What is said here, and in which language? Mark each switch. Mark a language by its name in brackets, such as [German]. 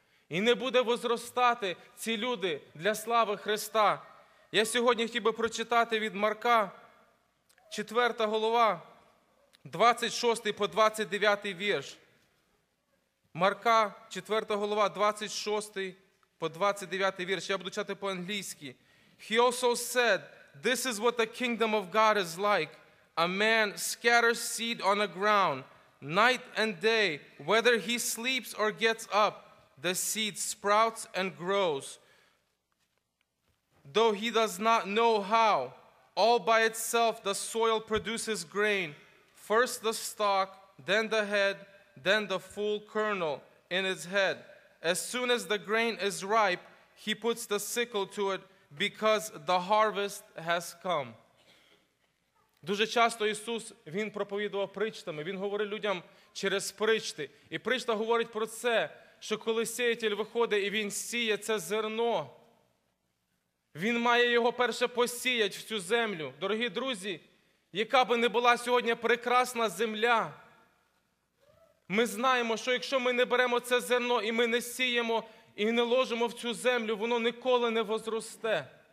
[Ukrainian] І не буде возростати ці люди для слави Христа. Я сьогодні хотів би прочитати від Марка, 4 глава, 26 по 29 вірш. Марка, 4 глава, 26 по 29 вірш. Я буду читати по-англійськи. [English] He also said, this is what the kingdom of God is like. A man scatters seed on the ground, night and day, whether he sleeps or gets up. The seed sprouts and grows, though he does not know how. All by itself, the soil produces grain, first the stalk, then the head, then the full kernel in its head. As soon as the grain is ripe, he puts the sickle to it, because the harvest has come. [Ukrainian] Дуже часто Ісус, Він проповідував притчами, Він говорив людям через притчі. І притча говорить про це, що коли сіятель виходить і він сіє це зерно, він має його перше посіяти в цю землю. Дорогі друзі, яка би не була сьогодні прекрасна земля, ми знаємо, що якщо ми не беремо це зерно і ми не сіємо і не ложимо в цю землю, воно ніколи не возросте.